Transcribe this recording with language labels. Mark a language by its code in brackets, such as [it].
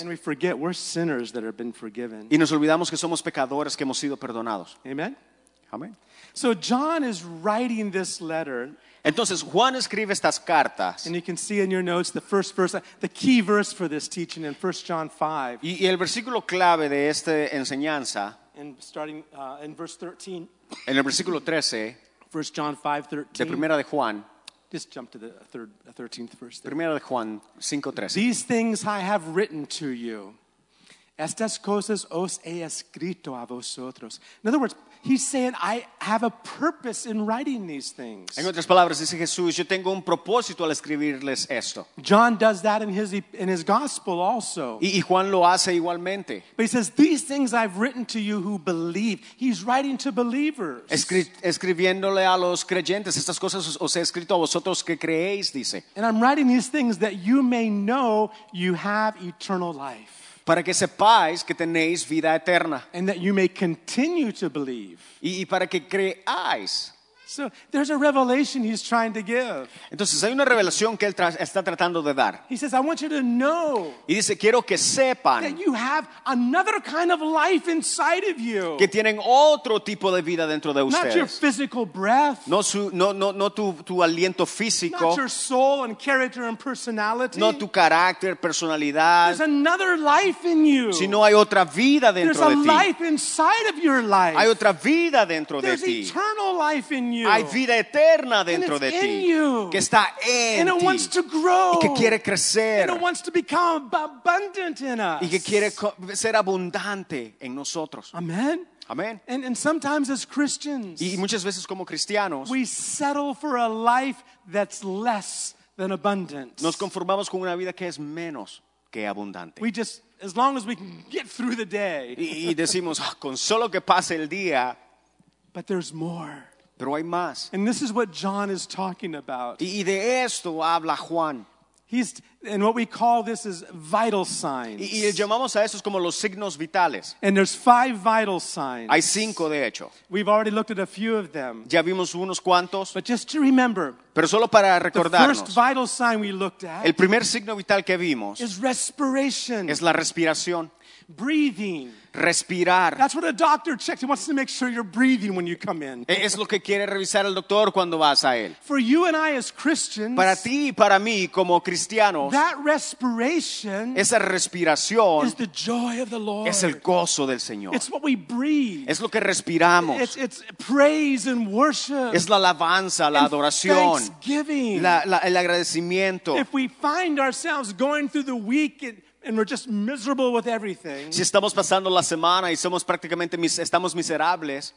[en] And we forget we're sinners that have been forgiven. [es] Y nos olvidamos que somos pecadores que hemos sido perdonados. [en] Amen. [es] Amen. [en] So John is writing this letter. [es] Entonces Juan escribe estas cartas. [en] And you can see in your notes the first verse, the key verse for this teaching in 1 John 5. [es] Y el versículo clave de esta enseñanza. [en] And starting in verse 13. [es] En el versículo 13. [en] 1 John 5, 13. [es] De primera de Juan. [en] Just jump to the 13th verse. [es] Primera de Juan 5, 13. [en] These things I have written to you, [es] Estas cosas os he escrito a vosotros. [en] In other words, he's saying, I have a purpose in writing these things. [es] En otras palabras, dice Jesús, yo tengo un propósito al escribirles esto. [en] John does that in his gospel also. [es] Y Juan lo hace igualmente. [en] But he says, these things I've written to you who believe. He's writing to believers. [es] Escribiéndole a los creyentes, estas cosas os he escrito a vosotros que creéis, dice. [en] And I'm writing these things that you may know you have eternal life. [es] Para que sepáis que tenéis vida eterna. [en] And that you may continue to believe. [es] Y para que creáis. [en] So there's a revelation he's trying to give. [es] Entonces hay una revelación que él está tratando de dar. [en] He says, I want you to know. [es] Y dice, quiero que sepan. [en] That you have another kind of life inside of you. [es] Que tienen otro tipo de vida dentro de ustedes. [en] Not your physical breath. [es] No tu aliento físico. [en] Not your soul and character and personality. [es] No tu carácter, personalidad. [en] There's another life in you. [es] Sino hay otra vida dentro de ti. [en] There's a life inside of your life. [es] Hay otra vida dentro [en] there's [es] de ti. [en] There's eternal life in you. [es] Hay vida eterna dentro [en] and it's [es] de [en] in [es] ti [en] you. [es] Que está en [en] and it [es] ti [en] wants to grow. [es] Y que quiere crecer [en] and it wants to become abundant in us. [es] Y que quiere ser abundante en nosotros. [en] Amen. [es] Amen. [en] And sometimes as Christians [es] y muchas veces como cristianos, [en] we settle for a life that's less than abundant. [es] Nos conformamos con una vida que es menos que abundante. [en] We just as long as we can get through the day [es] y decimos con solo que pase el día. [en] But there's more. [es] Pero hay más. [en] And this is what John is talking about. [es] Y de esto habla Juan. [en] And what we call this is vital signs. [es] Y llamamos a esos como los signos vitales. [en] And there's five vital signs. [es] Hay cinco de hecho. [en] We've already looked at a few of them. [es] Ya vimos unos cuantos. [en] But just to remember. [es] Pero solo para recordarnos. [en] The first vital sign we looked at. [es] El primer signo vital que vimos. [en] Is respiration. [es] Es la respiración. [en] Breathing. [es] Respirar. [en] That's what a doctor checks. He wants to make sure you're breathing when you come in. [es] Es lo que quiere revisar el doctor cuando vas a él. [en] For you and I as Christians. [es] Para ti y para mí como cristianos. [en] That respiration. [es] Esa respiración. [en] Is the joy of the Lord. [es] Es el gozo del Señor. [en] It's what we breathe. [es] Es lo que respiramos. [en] It's praise and worship. [es] Es la alabanza, la [en] and [es] adoración. [en] Thanksgiving. [es] El agradecimiento. [en] If we find ourselves going through the week and we're just miserable with everything. [es] Si estamos pasando la semana y somos prácticamente estamos miserables.